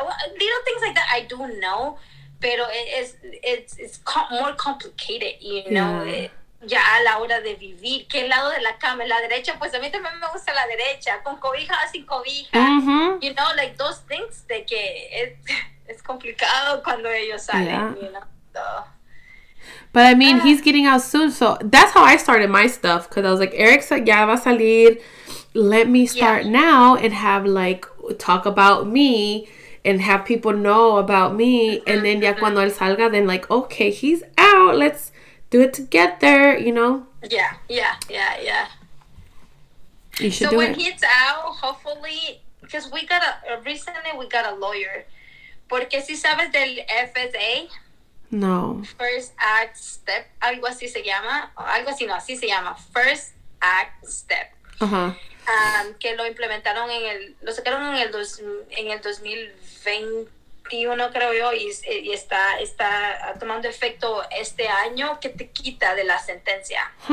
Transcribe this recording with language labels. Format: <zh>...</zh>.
<en>Well, little things like that, I do know, pero it's more complicated, you know? Yeah.</en> <es>Ya a la hora de vivir, ¿qué lado de la cama? ¿La derecha? Pues a mí también me gusta la derecha, con cobija o sin cobija.</es> <en>Mm-hmm. You know, like those things de que es complicado cuando ellos salen, yeah. You know? So. But I mean, he's getting out soon, so that's how I started my stuff, because I was like, Eric said, ya va a salir, let me start now and have, like, talk about me and have people know about me, and then ya cuando él salga, then, like, okay, he's out, let's do it together, you know? Yeah. You should do it. So when he's out, hopefully, because recently we got a lawyer.</en> <es>Porque si sabes del FSA... No. First Act Step, algo así se llama, algo así no, así se llama, First Act Step. Uh-huh. Que lo implementaron en el, lo sacaron en el dos, en el 2021, creo yo, y está tomando efecto este año, que te quita de la sentencia.</es>